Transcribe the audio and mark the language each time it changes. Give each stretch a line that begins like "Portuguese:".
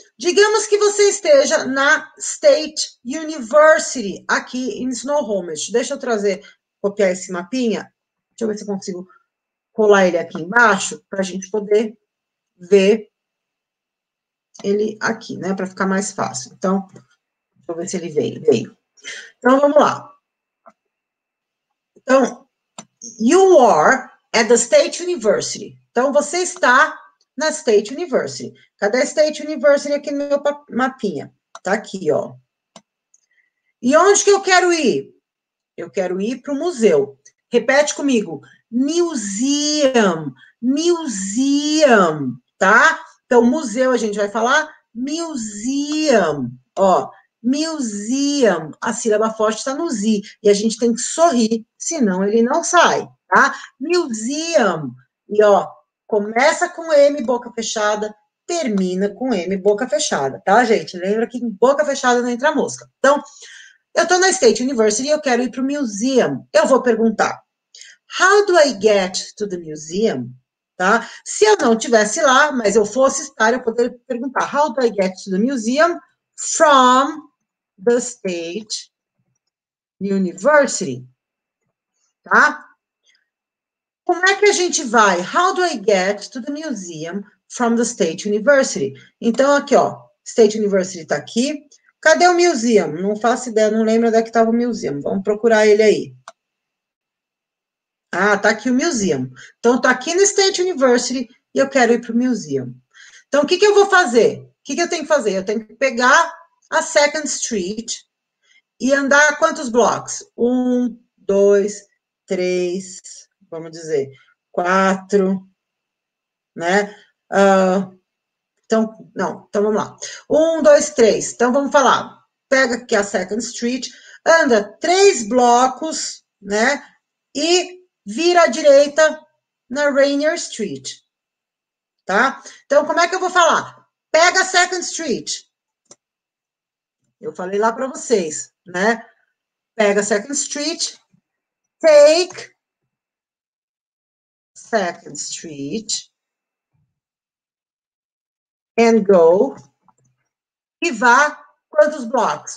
Portuguese: Digamos que você esteja na State University, aqui em Snohomish. Deixa eu trazer, copiar esse mapinha. Deixa eu ver se eu consigo colar ele aqui embaixo, para a gente poder ver ele aqui, né, para ficar mais fácil. Então, deixa eu ver se ele veio. Então, vamos lá. Então,
English: you are at the State University.
Portuguese: Então, você está na State University. Cadê a State University aqui no meu mapinha? Tá aqui, ó. E onde que eu quero ir? Eu quero ir para o museu. Repete comigo. Museum.
English: Museum.
Portuguese: Tá? Então, museu a gente vai falar museum. Ó, museum. A sílaba forte está no Z. E a gente tem que sorrir, senão ele não sai. Tá? Museum. E ó, começa com M boca fechada, termina com M boca fechada, tá, gente? Lembra que em boca fechada não entra mosca. Então, eu tô na State University e eu quero ir para o museum. Eu vou perguntar:
English: How do I get to the museum? Tá?
Portuguese: Se eu não tivesse lá, mas eu fosse estar, eu poderia perguntar:
English: How do I get to the museum from the State University?
Portuguese: Tá? Como é que a gente vai?
English: How do I get to the museum from the State University?
Portuguese: Então, aqui, ó, State University está aqui. Cadê o museum? Não faço ideia, não lembro onde é que estava o museum. Vamos procurar ele aí. Ah, tá aqui o museum. Então, tá aqui no State University e eu quero ir para o museum. Então, o que que eu vou fazer? O que que eu tenho que fazer? Eu tenho que pegar a Second Street e andar quantos blocos? Um, dois, três. Vamos dizer, quatro, né? Então, não, então vamos lá. Um, dois, três. Então vamos falar. Pega aqui a Second Street, anda três blocos, né? E vira à direita na Rainier Street, tá? Então como é que eu vou falar? Pega a Second Street. Eu falei lá para vocês, né? Pega a Second Street,
English: take Second Street and go
Portuguese: e vá quantos blocks?